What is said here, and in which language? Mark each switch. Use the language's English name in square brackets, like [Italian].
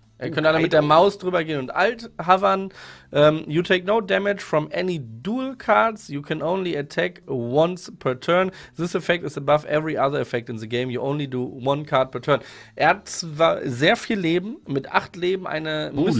[German] Ihr könnt alle mit der Maus drüber gehen und alt hovern. [English] You take no damage from any dual cards. You can only attack once per turn. This effect is above every other effect in the game. You only do one card per turn. [German] Er hat zwar sehr viel Leben, mit 8 Leben eine.